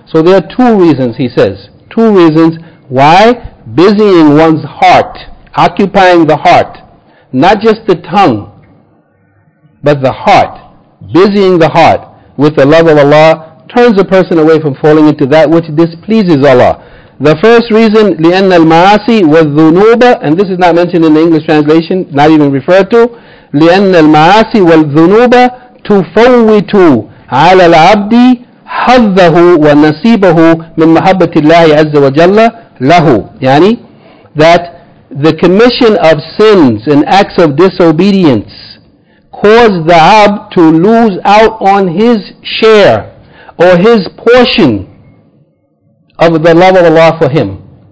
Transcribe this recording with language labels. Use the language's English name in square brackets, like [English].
[English] So there are two reasons, he says. Two reasons why busying one's heart, occupying the heart, not just the tongue, but the heart, busying the heart with the love of Allah, turns a person away from falling into that which displeases Allah. The first reason, [Arabic] لِأَنَّ الْمَعَاسِ وَالذُّنُوبَ, [English] and this is not mentioned in the English translation, not even referred to, [Arabic] لِأَنَّ الْمَعَاسِ وَالذُّنُوبَ تُفَوِّتُ عَلَى الْعَبْدِ حَظَّهُ وَنَصِيبَهُ مِنْ مَحَبَّةِ اللَّهِ عَزَّ وَجَلَّ لَهُ. [English] Yani, that the commission of sins and acts of disobedience caused the abd to lose out on his share or his portion of the love of Allah for him.